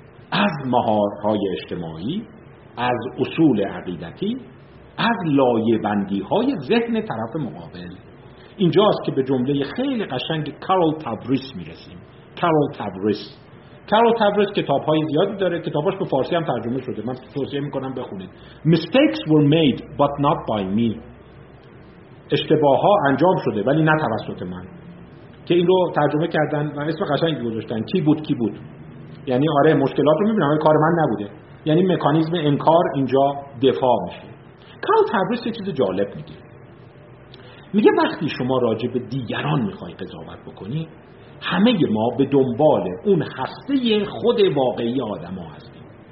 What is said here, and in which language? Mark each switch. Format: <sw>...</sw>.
<fa>از مهارهای اجتماعی، از اصول عقیدتی، از لایه بندی های ذهن طرف مقابل، اینجاست که به جمله خیلی قشنگ کارل تبریس میرسیم. کارل تبریس کارل تبرز کتاب‌های زیادی داره، کتاباش به فارسی هم ترجمه شده، من توصیه می‌کنم بخونید.</fa> <en>Mistakes were made but not by me.</en> <fa>اشتباه‌ها انجام شده ولی نه توسط من. که این رو ترجمه کردن و اسم قشنگی گذاشتن، کی بود کی بود. یعنی آره مشکلات رو می‌بینم ولی کار من نبوده. یعنی مکانیزم انکار اینجا دفاع میشه. کارل تبرز یه چیز جالب میگه. میگه وقتی شما راجع به دیگران می‌خوای قضاوت بکنی، همه ما به دنبال اون هسته خود واقعی آدم ها هستیم.</fa>